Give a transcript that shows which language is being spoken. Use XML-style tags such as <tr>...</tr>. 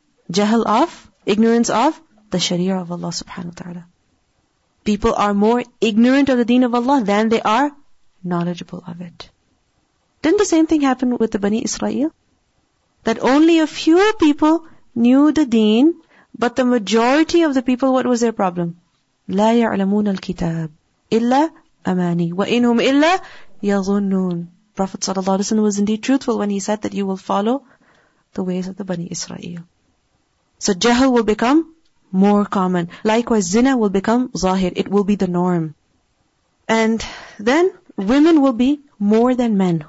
<en>Jahl of, ignorance of, the sharia of Allah subhanahu wa ta'ala. People are more ignorant of the deen of Allah than they are knowledgeable of it. Didn't the same thing happen with the Bani Israel? That only a few people knew the deen, but the majority of the people, what was their problem?</en> <ar>لا يعلمون الكتاب إلا أماني وإنهم إلا يظنون.</ar> <en>Prophet sallallahu alaihi wasallam was indeed truthful when he said that you will follow the ways of the Bani Israel. So jahl will become more common. Likewise, zina will become zahir. It will be the norm. And then women will be more than men.</en>